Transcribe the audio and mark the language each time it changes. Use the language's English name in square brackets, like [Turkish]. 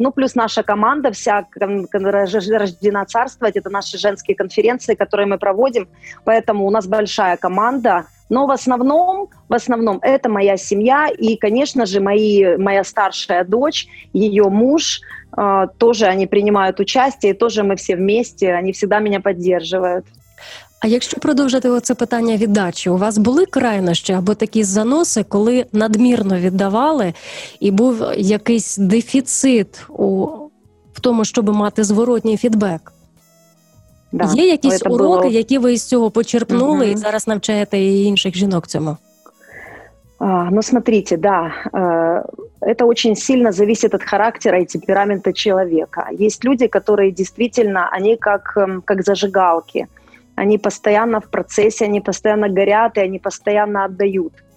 [Russian] Ну, плюс наша команда вся рождена царствовать, это наши женские конференции, которые мы проводим, поэтому у нас большая команда. Но в основном это моя семья и, конечно же, моя старшая дочь, ее муж, тоже они принимают участие, тоже мы все вместе, они всегда меня поддерживают. [Ukrainian] А якщо продовжити оце питання віддачі, у вас були крайнощі або такі заноси, коли надмірно віддавали і був якийсь дефіцит в тому, щоб мати зворотній фідбек? Да, є якісь уроки, було... які ви з цього почерпнули і зараз навчаєте і інших жінок цьому? [Russian] Ну, смотрите, да, это очень сильно зависит от характера и темперамента человека. Есть люди, которые действительно, они как зажигалки, они постоянно в процессе, они постоянно горят и они постоянно отдают.